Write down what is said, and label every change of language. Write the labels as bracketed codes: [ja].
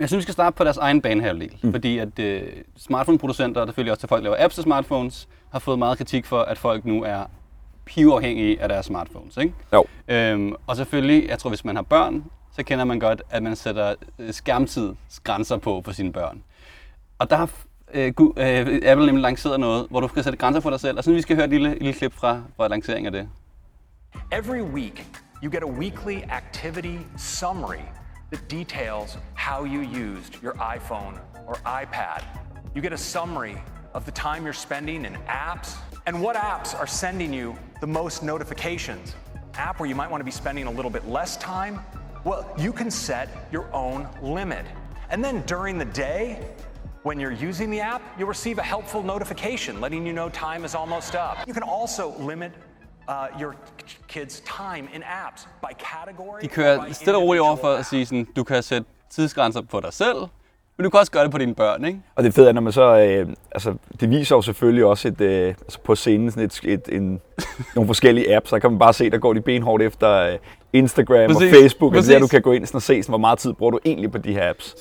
[da] Jeg synes, vi skal starte på deres egen banehalvdel, fordi at smartphone-producenter, og selvfølgelig også til folk, der laver apps til smartphones, har fået meget kritik for, at folk nu er pivafhængige af deres smartphones, ikke? Jo. Og selvfølgelig, jeg tror, hvis man har børn, så kender man godt, at man sætter skærmtidsgrænser på for sine børn. Og der har Apple nemlig lanceret noget, hvor du skal sætte grænser for dig selv. Og sådan, vi skal høre et lille klip fra lanceringen af det. [en] Every week, you get a weekly activity summary that details how you used your iPhone or iPad. You get a summary of the time you're spending in apps and what apps are sending you the most notifications. App where you might want to be spending a little bit less time, well, you can set your own limit. And then during the day, when you're using the app, you'll receive a helpful notification letting you know time is almost up. You can also limit your kids' time in apps by category. [da] De kører stille og roligt over for at sige sådan, du kan sætte tidsgrænser på dig selv, men du kan også gøre det på dine børn, ikke? Og det fede er, når man så, det viser jo selvfølgelig også på scenen sådan nogle forskellige apps, der kan man bare se, der går de benhårdt efter Instagram præcis, og Facebook, og der du kan gå ind og se, sådan, hvor meget tid bruger du egentlig på de her apps.